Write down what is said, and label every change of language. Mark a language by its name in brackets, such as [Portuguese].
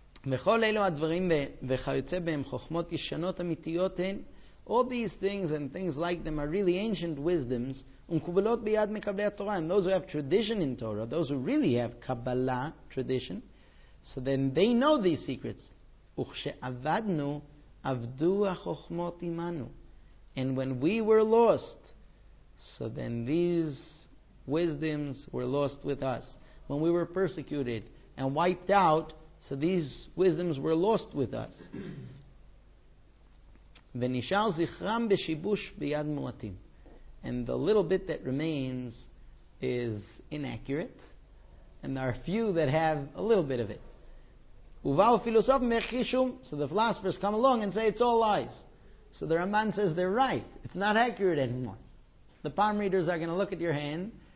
[Hebrew] וכל אלו הדברים וחיוצא בהם חוכמות ישנות אמיתיות הן, [English] all these things and things like them are really ancient wisdoms, [Hebrew] ומקובלות ביד מקבלי התורה, [English] and those who have tradition in Torah, those who really have Kabbalah tradition, so then they know these secrets. [Hebrew] וכשעבדנו, עבדו החוכמות עמנו. [English] And when we were lost, so then these wisdoms were lost with us. When we were persecuted and wiped out, so these wisdoms were lost with us. [Hebrew] ונשאר זכרם בשיבוש ביד מועטים. [English] And the little bit that remains is inaccurate. And there are few that have a little bit of it. [Hebrew] ובאו פילוסופים מחישום. [English] So the philosophers come along and say it's all lies. So the Ramban says they're right. It's not accurate anymore. The palm readers are going to look at your hand.